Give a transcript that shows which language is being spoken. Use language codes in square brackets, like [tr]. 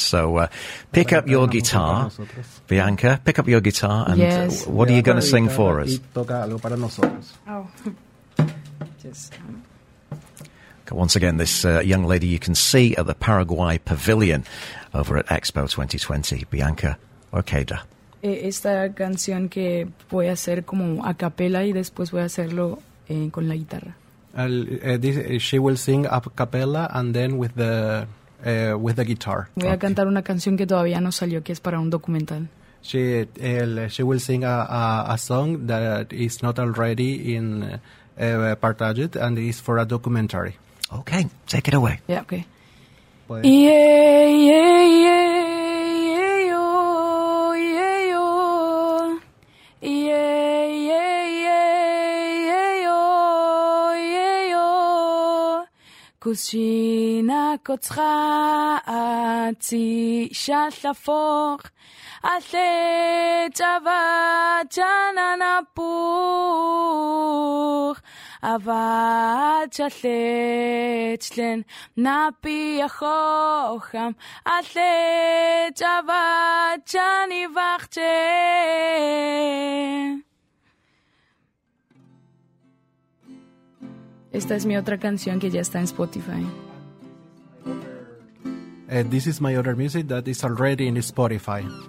[en] So pick up your guitar, Bianca. Pick up your guitar. And yes. What are you going to sing for us? [es] Toca algo para nosotros. [en] Once again, this young lady you can see at the Paraguay Pavilion over at Expo 2020, Bianca Ojeda. [es] Esta canción que voy a hacer como a capella y después voy a hacerlo con la guitarra. [en] She will sing a capella and then with the guitar. [es] Voy a cantar una canción que todavía no salió, que es para un documental. [en] She will sing a song that is not already in partaged and is for a documentary. Okay, take it away. Yeah, okay. Yeah, yeah, yeah, yeah, yo, yeah, yo. Yeah, yeah, yeah, yeah, yo, yeah, yo. Kushina kotra ati shalafor. Ase chava chana napur. Ava chasechlen napi ahoham ase chava chani vachte. [es] Esta es mi otra canción que ya está en Spotify. [en] This is my other music that is already in Spotify.